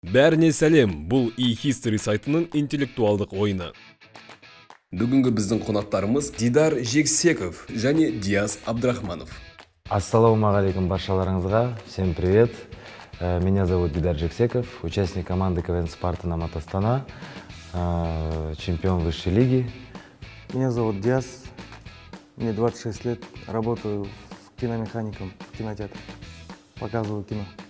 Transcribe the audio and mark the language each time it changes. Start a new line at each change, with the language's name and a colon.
Kazakh: Бәріне сәлем, бұл e-history сайтының интеллектуалдық ойыны. Бүгінгі біздің қонақтарымыз Дидар Жексеков және Диас Абдрахманов. Ассалауму алейкум баршаларыңызға,
Russian: всем привет. Меня зовут Дидар Жексеков, участник команды КВН «Спарта» на Матастана, чемпион высшей лиги. Меня зовут Диас, мне 26 лет, работаю киномехаником в кинотеатре, показываю кино.